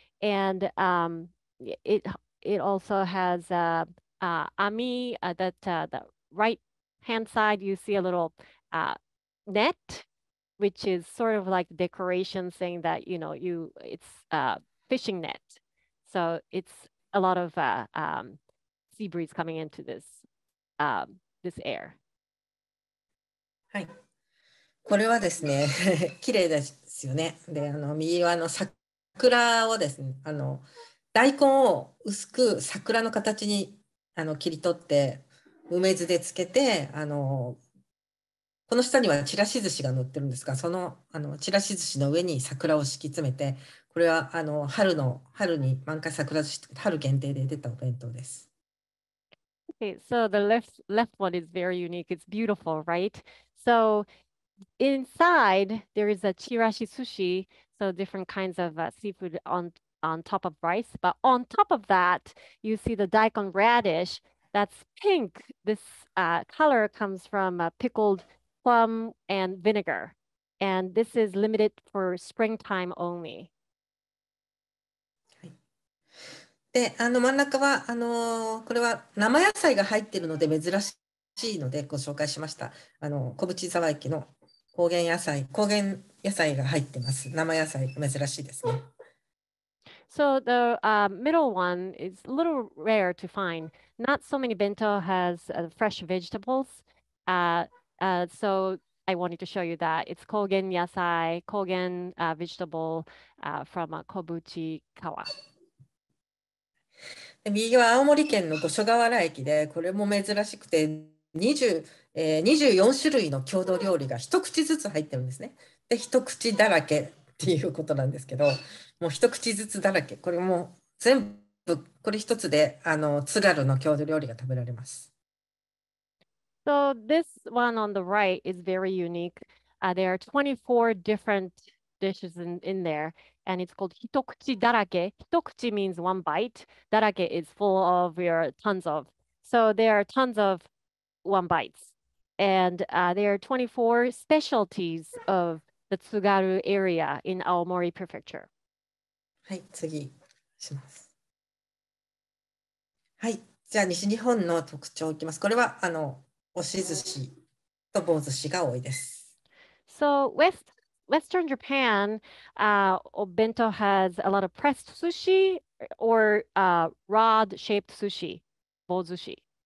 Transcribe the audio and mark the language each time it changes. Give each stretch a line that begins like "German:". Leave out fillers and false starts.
English: And it also has ami, the right hand side, you see a little net, which is sort of like decoration, saying that, you know, it's a fishing net. So it's a lot of sea breeze coming into this, this air.
Japanese: はい。これはですね、綺麗ですよね。で、あの右はあの桜をですね、あの大根を薄く桜の形にあの切り取って、梅酢でつけて、あのこの下にはちらし寿司が載ってるんですが、そのあのちらし寿司の上に桜を敷き詰めて、これはあの春に満開桜寿司、春限定で出たお弁当です。
English: Okay, so the left one is very unique. It's beautiful, right? So inside there is a chirashi sushi, so different kinds of seafood on top of rice. But on top of that, you see the daikon radish, that's pink. This color comes from pickled plum and vinegar. And this is limited for springtime only.
Japanese: で、あの真ん中は、あのこれは生野菜が入っているので珍しいのでご紹介しました。あの小淵沢駅の高原野菜、高原野菜が入ってます。生野菜珍しいですね。
English: So the middle one is a little rare to find. Not so many bento has fresh vegetables. So I wanted to show you that. It's kōgen yasai, kōgen vegetable from Kobuchikawa.
Japanese: 右は青森県の五所川原駅で、これも珍しくて24種類の郷土料理が一口ずつ入ってるんですね。で、一口だらけっていうことなんですけど、もう一口ずつだらけ、これも全部これ一つで、あの津軽の郷土料理が食べられます。
English: So this one on the right is very unique. There are 24 different dishes in there, and it's called hitokuchi darake. Hitokuchi means one bite. Darake is full of your tons of. So there are tons of one bites, and there are 24 specialties of the Tsugaru area in Aomori Prefecture.
Japanese: はい、次します。はい、じゃあ西日本の特徴いきます。これはあの押し寿司と棒寿司が多いです。
English: So Western Japan, bento has a lot of pressed sushi or rod-shaped sushi, bozushi.